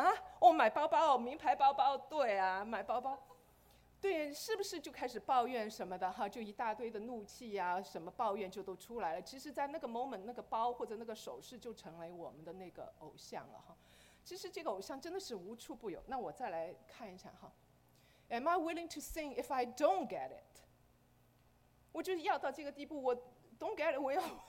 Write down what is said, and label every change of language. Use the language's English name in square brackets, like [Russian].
[Chinese] 啊，哦，买包包，名牌包包，对啊，买包包。对，是不是就开始抱怨什么的哈？就一大堆的怒气呀、啊，什么抱怨就都出来了。其实，在那个 moment， 那个包或者那个首饰就成为我们的那个偶像了哈。其实这个偶像真的是无处不有。那我再来看一下哈。 [English] Am I willing to sing if I don't get it？ [Chinese] 我就要到这个地步，我 [English] don't get it， [Chinese] 我要。